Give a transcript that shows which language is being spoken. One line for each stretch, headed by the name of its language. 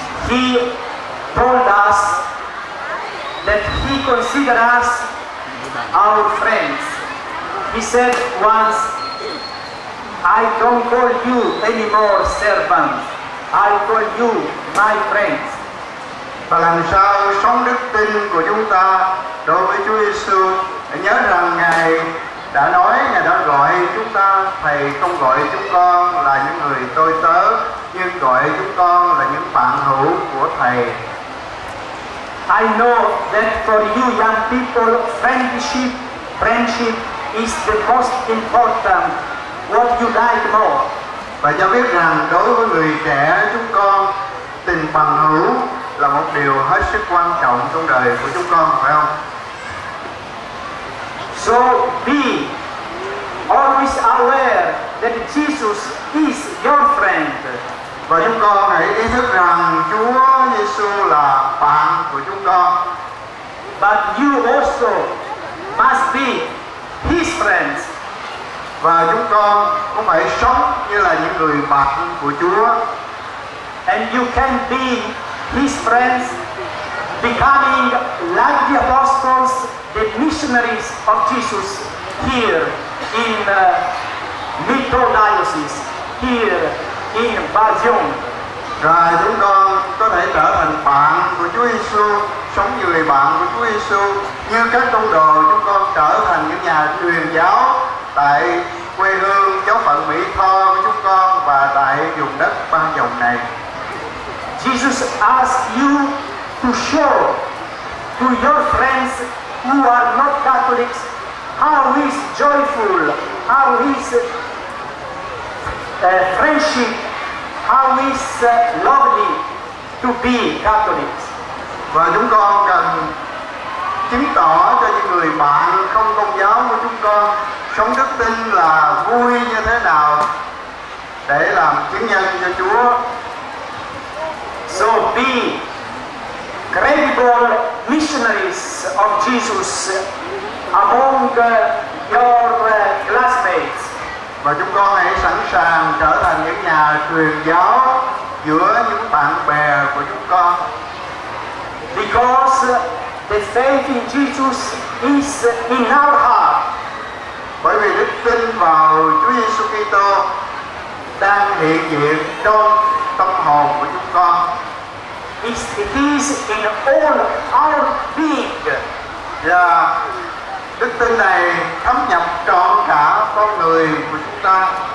English: He told us that He considered us our friends. He said once, I don't call you anymore servants, I call you my friends.
Vietnamese: Và làm sao sống đức tin của chúng ta đối với Chúa Giêsu, nhớ rằng Ngài đã nói, Ngài đã gọi chúng ta, Thầy không gọi chúng con là những người tôi tớ, nhưng gọi chúng con là những bạn hữu của Thầy.
English: I know that for you young people, friendship is the most important, what you like more.
Vietnamese: Và cho biết rằng đối với người trẻ chúng con, tình bằng hữu là một điều hết sức quan trọng trong đời của chúng con, phải không?
English: So be always aware that Jesus is your friend.
Vietnamese: Và chúng con hãy ý thức rằng Chúa Giêsu là bạn của chúng con.
English: But you also must be His friends.
Vietnamese: Và chúng con cũng phải sống như là những người bạn của Chúa.
English: And you can be His friends, becoming like the apostles, the missionaries of Jesus here in Mito Diocese, here in Bajon.
Vietnamese: Rồi chúng con có thể trở thành bạn của Chúa Giêsu, sống như người bạn của Chúa Giêsu, như các tông đồ chúng con trở thành những nhà truyền giáo tại quê hương giáo phận Mỹ Tho của chúng con và tại vùng đất ba dòng này.
English: Jesus asked you to show to your friends who are not Catholics how is joyful, how is friendship, how is lovely to be Catholics.
Vietnamese: Và chúng con cần chứng tỏ cho những người bạn không công giáo của chúng con sống đức tin là vui như thế nào để làm chứng nhân cho Chúa.
English: So be credible missionaries of Jesus among your classmates.
Vietnamese: Và chúng con hãy sẵn sàng trở thành những nhà truyền giáo giữa những bạn bè của chúng con.
English: Because the faith in Jesus is in our heart.
Vietnamese: Bởi vì đức tin vào Chúa Giêsu Kitô đang hiện diện trong tâm hồn của chúng con.
English: It is in all our being.
Vietnamese: Đức tin này thấm nhập trọn cả con người của chúng ta.